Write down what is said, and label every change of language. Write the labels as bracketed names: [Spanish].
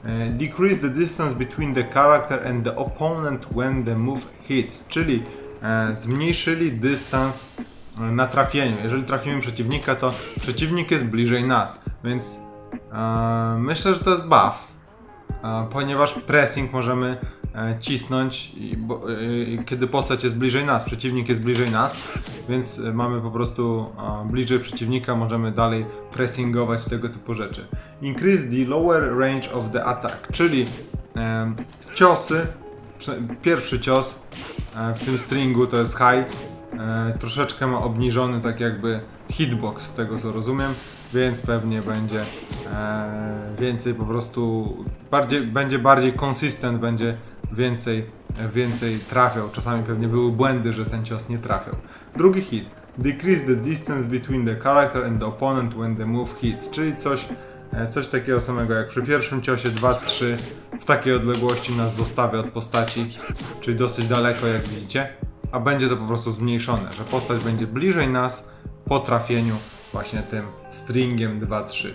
[English] Decrease the distance between the character and the opponent when the move hits. [Polish] Czyli zmniejszyli dystans na trafieniu. Jeżeli trafimy przeciwnika, to przeciwnik jest bliżej nas, więc myślę, że to jest buff, ponieważ pressing możemy cisnąć, kiedy postać jest bliżej nas, przeciwnik jest bliżej nas, więc mamy po prostu bliżej przeciwnika, możemy dalej pressingować, tego typu rzeczy. [English] Increase the lower range of the attack, [Polish] czyli ciosy, pierwszy cios w tym stringu to jest high, troszeczkę ma obniżony tak jakby hitbox, z tego co rozumiem, więc pewnie będzie więcej po prostu, będzie bardziej consistent, będzie więcej trafiał. Czasami pewnie były błędy, że ten cios nie trafiał. Drugi hit. [English] Decrease the distance between the character and the opponent when the move hits. [Polish] Czyli coś takiego samego jak przy pierwszym ciosie, 2-3, w takiej odległości nas zostawia od postaci, czyli dosyć daleko, jak widzicie. a będzie to po prostu zmniejszone, że postać będzie bliżej nas po trafieniu właśnie tym stringiem 2-3.